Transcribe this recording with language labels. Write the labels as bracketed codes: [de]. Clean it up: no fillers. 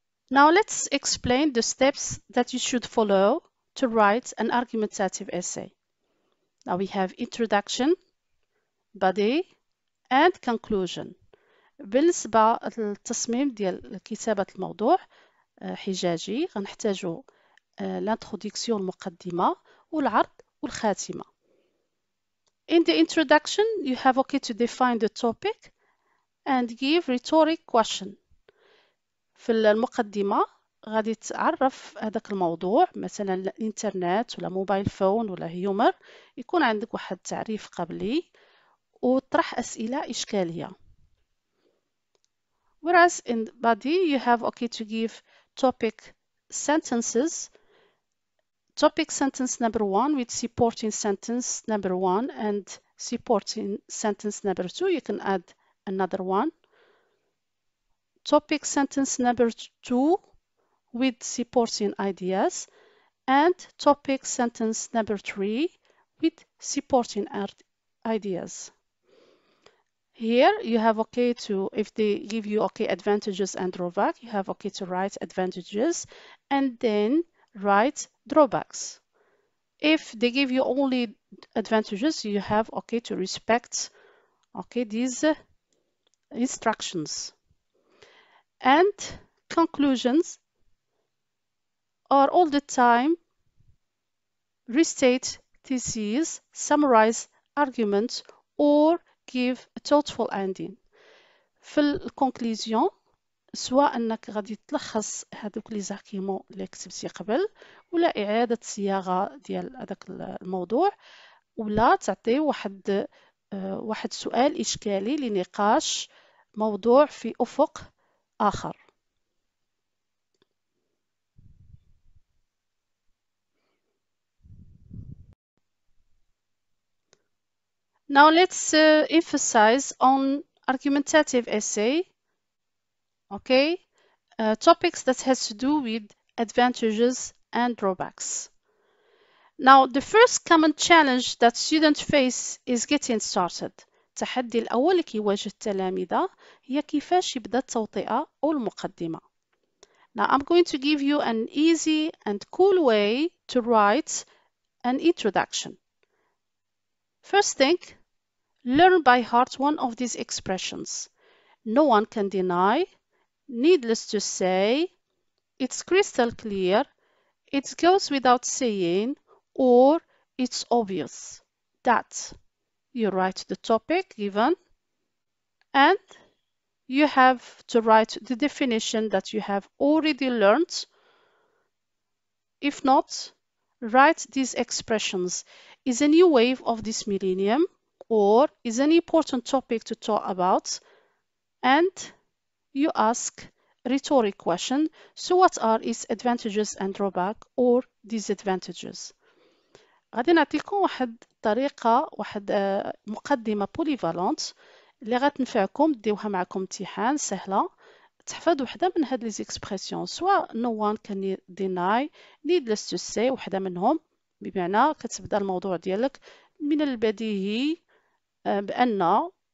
[en] Now let's explain the steps that you should follow to write an argumentative essay. Now we have introduction, body, and conclusion. [ar] بالنسبة للتصميم ديال كتابة الموضوع حجاجي غنحتاجو الانتروديكسيون المقدمة والعرض والخاتمة. [en] In the introduction, you have okay to define the topic and give rhetoric question. [ar] في المقدمة غادي تعرف هذاك الموضوع، مثلا الانترنت ولا موبايل فون ولا هيومر، يكون عندك واحد تعريف قبلي وطرح أسئلة إشكالية. [en] Whereas in body you have okay to give topic sentences. Topic sentence number one with supporting sentence number one and supporting sentence number two. You can add another one. Topic sentence number two with supporting ideas and topic sentence number three with supporting ideas. Here you have okay to, if they give you okay advantages and drawbacks, you have okay to write advantages and then write drawbacks. If they give you only advantages, you have okay to respect okay these instructions. And conclusions are all the time restate theses, summarize arguments, or give a thoughtful ending. [ar] في الكونكليزيون سواء انك غادي تلخص هذوك لي زاكيمو اللي كتبتي قبل، ولا اعاده صياغه ديال هذاك الموضوع، ولا تعطي واحد سؤال اشكالي لنقاش موضوع في افق آخر. [en] Now let's emphasize on argumentative essay. Okay, topics that has to do with advantages and drawbacks. Now the first common challenge that students face is getting started. [ar] التحدي الأول اللي كيواجه التلاميذ هي كيفاش يبدأ التوطئة أو المقدمة. [en] Now I'm going to give you an easy and cool way to write an introduction. First thing, learn by heart one of these expressions. No one can deny, needless to say, it's crystal clear, it goes without saying, or it's obvious that you write the topic given and you have to write the definition that you have already learned. If not, write these expressions. Is a new wave of this millennium or is an important topic to talk about? And you ask rhetoric question. So what are its advantages and drawbacks or disadvantages? [ar] غادي نعطيكم واحد طريقة واحد مقدمة polyvalent اللي غتنفعكم ديوها معكم امتحان سهلة تحفظ واحدة من هاد لي زيكسبرسيون سوا [en] no one can deny needless to say [ar] واحدة منهم بمعنى كتبدا الموضوع ديالك من البديهي بأن